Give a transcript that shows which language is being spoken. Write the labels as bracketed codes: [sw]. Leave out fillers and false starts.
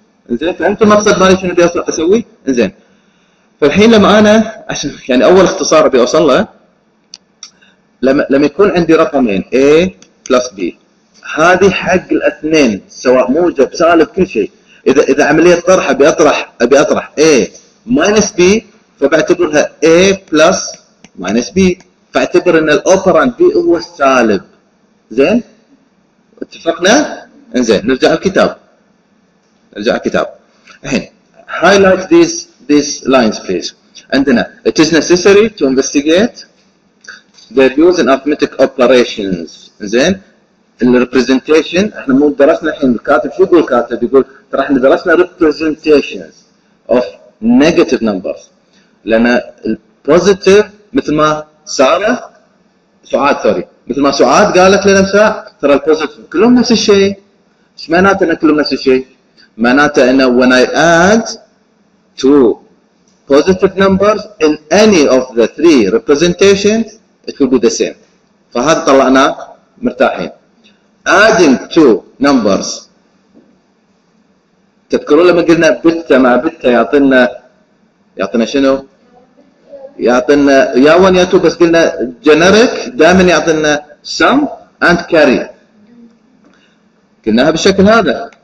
[ar] زين فهمت المقصد مالي شنو ابي اسوي؟ زين فالحين لما انا عشان يعني اول اختصار ابي اوصل له، لما يكون عندي رقمين A بلس B هذه حق الاثنين سواء موجب سالب كل شيء، اذا عمليه طرح ابي اطرح A ماينس B فبعتبرها A بلس ماينس B، فاعتبر ان الاوبراند B هو السالب. زين اتفقنا؟ زين نرجع الكتاب الحين هايلايت [en] these lines please. [ar] عندنا [en] it is necessary to investigate their use in arithmetic operations. [ar] زين ال representation احنا مو درسنا الحين، الكاتب شو يقول؟ الكاتب يقول ترى احنا درسنا [en] representations of negative numbers، [ar] لان ال positive مثل ما سارة سعاد سوري مثل ما سعاد قالت لنا ساعة ترى ال positive كلهم نفس الشيء. ايش معناته ان كلهم نفس الشيء؟ معناته ان [en] when I add two positive numbers in any of the three representations it will be the same. [ar] فهذا طلعناه مرتاحين. [en] Adding two numbers [ar] تذكرون لما قلنا بتة مع بتة يعطينا شنو؟ يعطينا يا 1 يا 2، بس قلنا generic دائما يعطينا [en] sum and carry، [ar] قلناها بالشكل هذا.